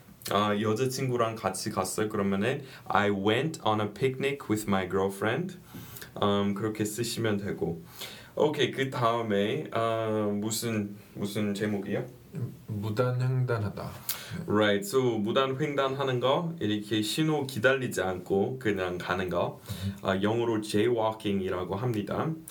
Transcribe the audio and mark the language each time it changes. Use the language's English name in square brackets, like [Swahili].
[Korean] 여자친구랑 같이 갔어요. 그러면은 [English] I went on a picnic with my girlfriend. [Korean] 그렇게 쓰시면 되고. 오케이, 그 다음에 무슨 제목이요? 무단횡단하다. [English] Right, so [Korean] 무단횡단하는 거 이렇게 신호 기다리지 않고 그냥 가는 거 영어로 jaywalking이라고 합니다.